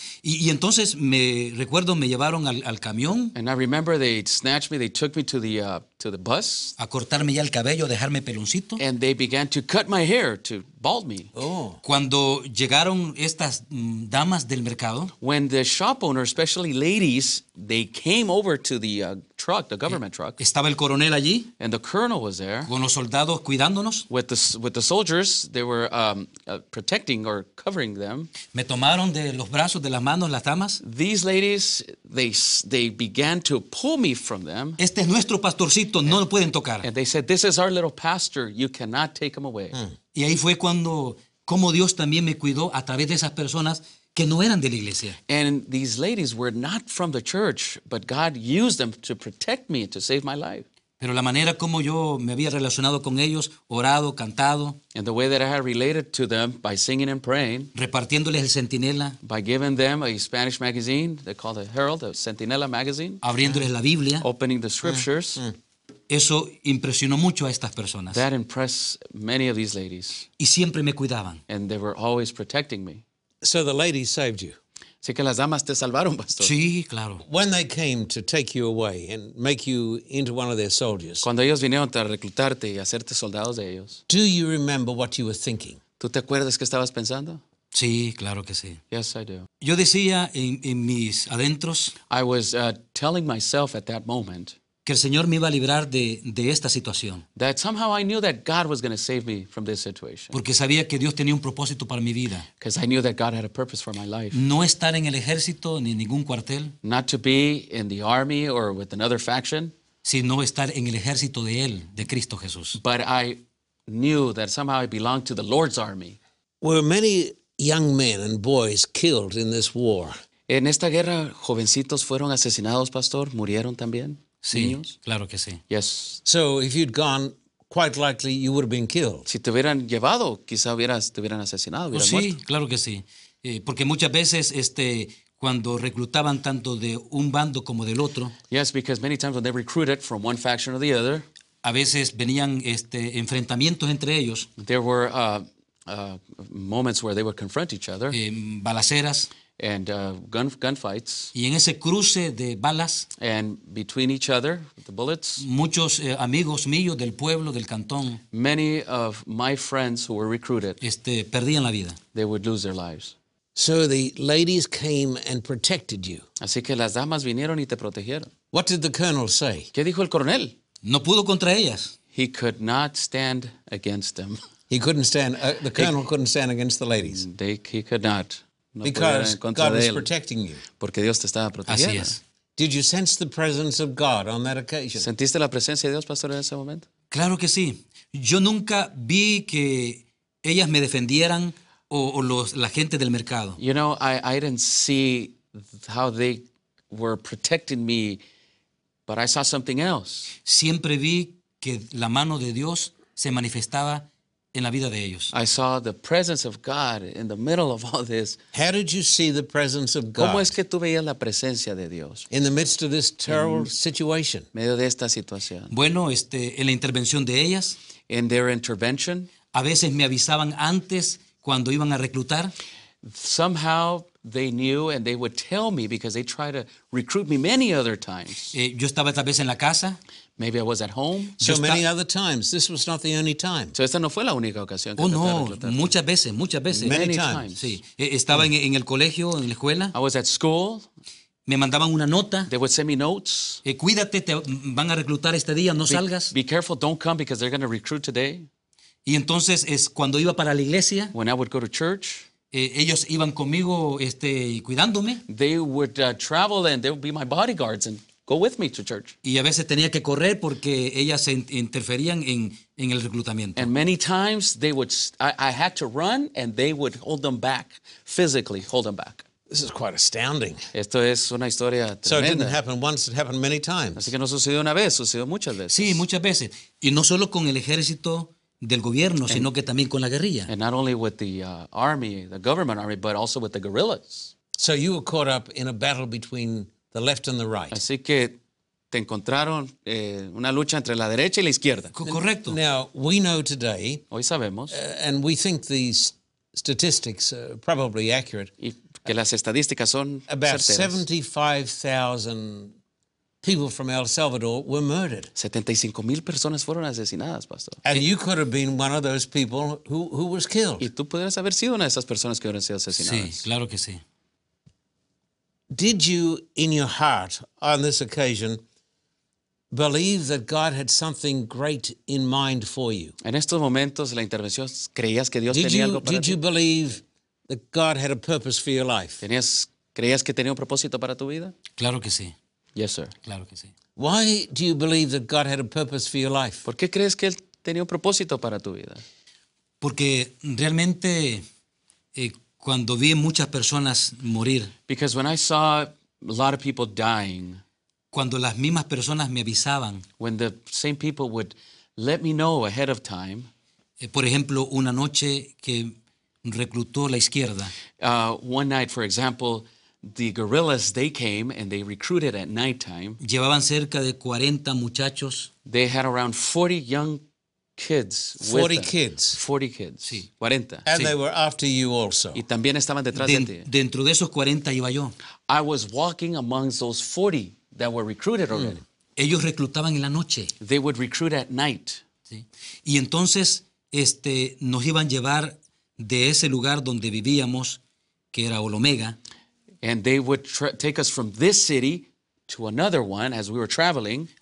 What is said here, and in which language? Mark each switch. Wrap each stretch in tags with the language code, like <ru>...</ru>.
<es>Y entonces me recuerdo me llevaron al camión.</es> <en>And I remember they snatched me, they took me to the bus.</en> <es>A cortarme ya el cabello, dejarme peloncito.</es> <en>And they began to cut my hair, to bald me. Oh.</en> <es>Cuando llegaron estas damas del mercado.</es> <en>When the shop owner, especially ladies, they came over to the truck, the government truck.</en> <es>Estaba el coronel allí.</es> <en>And the colonel was there.</en> <es>Con los soldados cuidándonos.</es> <en>With the soldiers, they were protecting or covering them.</en> <es>Me tomaron de los brazos, de las manos, las damas.</es> <en>These ladies, they began to pull me from them.</en> <es>Este es nuestro pastorcito, no lo pueden tocar.</es> <en>And they said, this is our little pastor, you cannot take him away.</en> <es>Y ahí fue cuando, como Dios también me cuidó a través de esas personas, que no eran de la iglesia.</es> <en>And these ladies were not from the church, but God used them to protect me and to save my life.</en> <es>Pero la manera como yo me había relacionado con ellos, orado, cantado,</es> <en>and the way that I had related to them by singing and praying,</en> <es>repartiéndoles el Centinela,</es> <en>by giving them a Spanish magazine, they call the Herald, the Centinela magazine,</en> <es>abriéndoles la Biblia,</es> <en>opening the scriptures,</en> <es>eso impresionó mucho a estas personas.</es> <en>That impressed many of these ladies.</en> <es>Y siempre me cuidaban.</es> <en>And they were always protecting me. So the ladies saved you.</en> <es>Así que las damas te salvaron, pastor. Sí, claro.</es> <en>When they came to take you away and make you into one of their soldiers.</en> <es>Cuando ellos vinieron a reclutarte y hacerte soldados de ellos.</es> <en>Do you remember what you were thinking?</en> <es>¿Tú te acuerdas qué estabas pensando? Sí, claro que sí.</es> <en>Yes, I do.</en> <es>Yo decía en mis adentros.</es> <en>I was telling myself at that moment.</en> <es>Que el Señor me iba a librar de esta situación.</es> <en>That somehow I knew that God was going to save me from this situation.</en> <es>Porque sabía que Dios tenía un propósito para mi vida.</es> <en>Because I knew that God had a purpose for my life.</en> <es>No estar en el ejército ni en ningún cuartel.</es> <en>Not to be in the army or with another faction.</en> <es>Sino estar en el ejército de Él, de Cristo Jesús.</es> <en>But I knew that somehow I belonged to the Lord's army. Were many young men and boys killed in this war?</en> <es>En esta guerra, jovencitos fueron asesinados, pastor, murieron también. Sí, claro que sí.</es> <en>Yes. So if you'd gone, quite likely you would have been killed.</en> <es>Si te hubieran llevado, quizá hubieras, te hubieran asesinado, hubieras sí, muerto. Claro que sí. Porque muchas veces cuando reclutaban tanto de un bando como del otro.</es> <en>Yes, because many times when they recruited from one faction or the other.</en> <es>A veces venían enfrentamientos entre ellos.</es> <en>There were moments where they would confront each other.</en> <es>Balaceras.</es> <en>And gunfights.</en> <es>Y en ese cruce de balas.</es> <en>And between each other, the bullets.</en> <es>Muchos amigos míos del pueblo, del cantón.</es> <en>Many of my friends who were recruited.</en> <es>Perdían la vida.</es> <en>They would lose their lives. So the ladies came and protected you.</en> <es>Así que las damas vinieron y te protegieron.</es> <en>What did the colonel say?</en> <es>¿Qué dijo el coronel? No pudo contra ellas.</es> <en>He could not stand against them. He couldn't stand, the colonel couldn't stand against the ladies. He could not. No, because God was protecting you.</en> <es>Porque Dios te estaba protegiendo. Así es.</es> <en>Did you sense the presence of God on that occasion?</en> <es>¿Sentiste la presencia de Dios, pastor, en ese momento? Claro que sí. Yo nunca vi que ellas me defendieran o los la gente del mercado.</es> <en>You know, I didn't see how they were protecting me, but I saw something else.</en> <es>Siempre vi que la mano de Dios se manifestaba en la vida de ellos.</es> <en>I saw the presence of God in the middle of all this. How did you see the presence of God?</en> <es>¿Cómo es que tú veías la presencia de Dios?</es> <en>In the midst of this terrible situation.</en> <es>Medio de esta situación. Bueno, en la intervención de ellas.</es> <en>In their intervention.</en> <es>A veces me avisaban antes cuando iban a reclutar.</es> <en>Somehow they knew and they would tell me because they tried to recruit me many other times.</en> <es>Yo estaba tal vez en la casa.</es> <en>Maybe I was at home. So many other times. This was not the only time.</en> <es>So esta no fue la única ocasión. Oh, no. Muchas veces.</es> <en>Many times.</en> <es>Sí. Estaba en el colegio, en la escuela.</es> <en>I was at school.</en> <es>Me mandaban una nota.</es> <en>They would send me notes.</en> <es>Cuídate, te van a reclutar este día, no salgas.</es> <en>Be careful, don't come because they're going to recruit today.</en> <es>Y entonces es cuando iba para la iglesia.</es> <en>When I would go to church.</en> <es>Ellos iban conmigo, cuidándome.</es> <en>They would travel and they would be my bodyguards and go with me to church.</en> <es>Y a veces tenía que correr porque ellas se interferían en el reclutamiento.</es> <en>And many times they would, I had to run and they would hold them back, physically hold them back. This is quite astounding.</en> <es>Esto es una historia tremenda.</es> <en>So it didn't happen once, it happened many times.</en> <es>Así que no sucedió una vez, sucedió muchas veces. Sí, muchas veces. Y no solo con el ejército del gobierno, sino que también con la guerrilla.</es> <en>And not only with the army, the government army, but also with the guerrillas. So you were caught up in a battle between the left and the right.</en> <es>Así que te encontraron una lucha entre la derecha y la izquierda. Correcto.</es> <en>Now, we know today,</en> <es>hoy sabemos,</es> <en>and we think these statistics are probably accurate,</en> <es>y que las estadísticas son</es> <en>about</en> <es>certeras.</es> <en>75,000 people from El Salvador were murdered.</en> <es>75,000 personas fueron asesinadas, pastor.</es> <en>And you could have been one of those people who was killed.</en> <es>Y tú pudieras haber sido una de esas personas que hubieran sido asesinadas. Sí, claro que sí.</es> <en>Did you, in your heart, on this occasion, believe that God had something great in mind for you?</en> <es>En estos momentos, la intervención, ¿creías que Dios tenía algo para ti?</es> <en>Did you believe that God had a purpose for your life?</en> <es>¿Creías que tenía un propósito para tu vida? Claro que sí.</es> <en>Yes, sir.</en> <es>Claro que sí.</es> <en>Why do you believe that God had a purpose for your life?</en> <es>¿Por qué crees que Él tenía un propósito para tu vida? Porque realmente, Cuando vi muchas personas morir.</es> <en>Because when I saw a lot of people dying.</en> <es>Cuando las mismas personas me avisaban.</es> <en>When the same people would let me know ahead of time.</en> <es>Por ejemplo, una noche que reclutó la izquierda.</es> <en>One night, for example, the guerrillas, they came and they recruited at night time.</en> <es>Llevaban cerca de 40 muchachos.</es> <en>They had around 40 young kids. 40 kids. 40 kids.</en> <es>Sí. 40.</es> <en>And sí. They were after you also.</en> <es>Y también estaban detrás de ti. Dentro de esos 40 iba yo.</es> <en>I was walking amongst those 40 that were recruited already.</en> <es>Ellos reclutaban en la noche.</es> <en>They would recruit at night.</en> <es>Sí. Y entonces nos iban a llevar de ese lugar donde vivíamos, que era Olomega.</es> <en>And they would take us from this city to another one as we were traveling.</en>